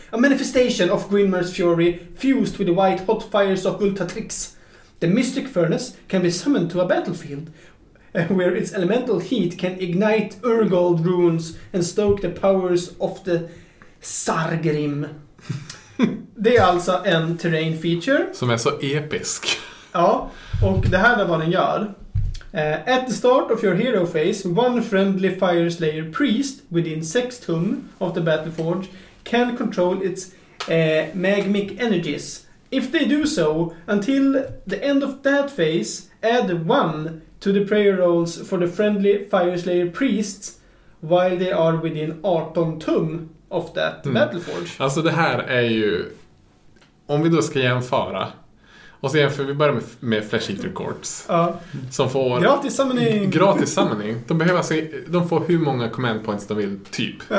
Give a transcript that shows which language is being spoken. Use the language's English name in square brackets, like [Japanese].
[English] A manifestation of Grimmer's fury fused with the white hot fires of Ultatrix. The Mystic Furnace can be summoned to a battlefield where its elemental heat can ignite Urgold runes and stoke the powers of the Sargrim. [Swedish] Det är alltså en terrain feature som är så episk. Ja, och det här är vad den gör. [English] At the start of your hero phase, one friendly Fire Slayer priest within 6 tum of the Battleforge can control its magmic energies. If they do so, until the end of that phase, add 1 to the prayer rolls for the friendly Fire Slayer priests while they are within 18 tum of that Battleforge. [Swedish] Alltså det här är ju, om vi då ska jämföra, och så jämför vi bara med Flesh Eater Courts som får gratis summoning. De behöver alltså, de får hur många command points de vill, typ